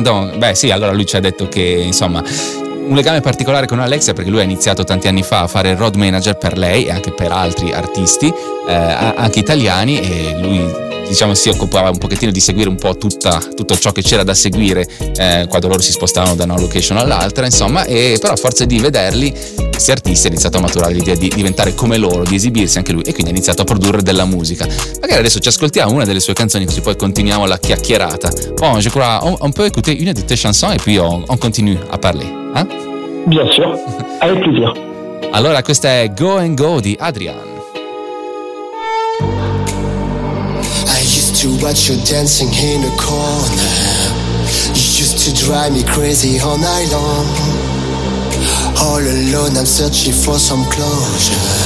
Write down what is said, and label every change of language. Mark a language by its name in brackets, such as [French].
[Italian] Donc, beh, sì, allora lui ci ha detto che, insomma, un legame particolare con Alexia perché lui ha iniziato tanti anni fa a fare road manager per lei e anche per altri artisti, anche italiani, e lui, diciamo, si occupava un pochettino di seguire un po' tutto ciò che c'era da seguire quando loro si spostavano da una location all'altra, insomma, e però a forza di vederli, questi artisti hanno iniziato a maturare l'idea di diventare come loro, di esibirsi anche lui, e quindi ha iniziato a produrre della musica. Magari adesso ci ascoltiamo una delle sue canzoni, così poi continuiamo la chiacchierata. [French] Bon, je crois, on peut écouter une de tes chansons et puis on continue à parler. Bien sûr, avec plaisir. [Italian] Allora, questa è Go and Go di Adrien. [English] I used to watch you dancing in the corner. You used to drive me crazy all night long. All alone, I'm searching for some closure.